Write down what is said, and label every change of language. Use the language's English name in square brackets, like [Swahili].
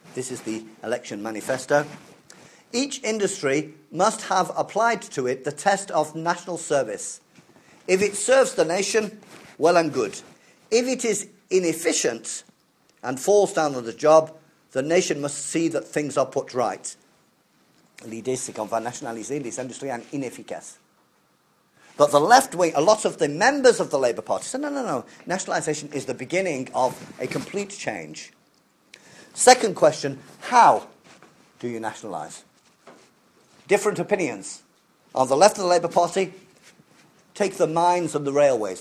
[English] This is the election manifesto. Each industry must have applied to it the test of national service. If it serves the nation, well and good. If it is inefficient and falls down on the job, the nation must see that things are put right. [French] L'idée, c'est qu'on va nationaliser les industries en inefficace. [English] But the left wing, a lot of the members of the Labour Party said, no. Nationalisation is the beginning of a complete change. Second question, how do you nationalise? Different opinions. On the left of the Labour Party, take the mines and the railways.